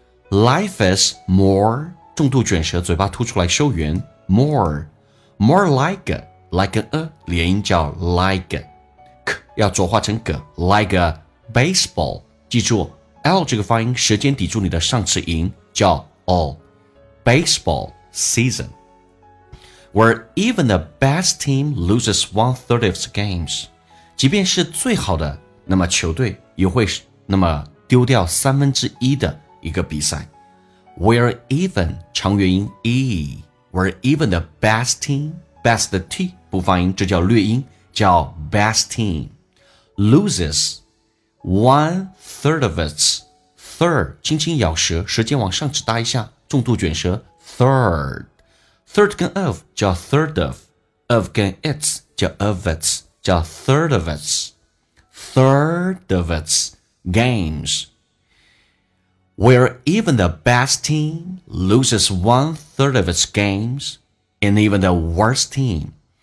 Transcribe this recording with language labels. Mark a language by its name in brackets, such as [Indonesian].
[English] Life is more, [Chinese] 重度卷舌，嘴巴凸出来收圆。 [English] More like a, like an a, [Chinese] 连音叫 [English] like, k [Chinese] 要浊化成 [English] g, like a baseball. [Chinese] 记住 L 这个发音，舌尖抵住你的上齿龈，叫 all. [English] Baseball season, where even the best team loses one-third of its games. [Chinese] 即便是最好的，那么球队也会那么丢掉三分之一的一个比赛。 [English] We're even, [Chinese] 长元音 [English] E, we're even the best team, best T, [Chinese] 不发音，这叫略音，叫 [English] best team, loses one third of its, third, [Chinese] 轻轻咬舌，舌尖往上指搭一下，重度卷舌 [English] third, third 跟 of 叫 third of 跟 its 叫 of its, 叫 third of its, third of its games,Where even the best team loses one third of its games, and even the worst team.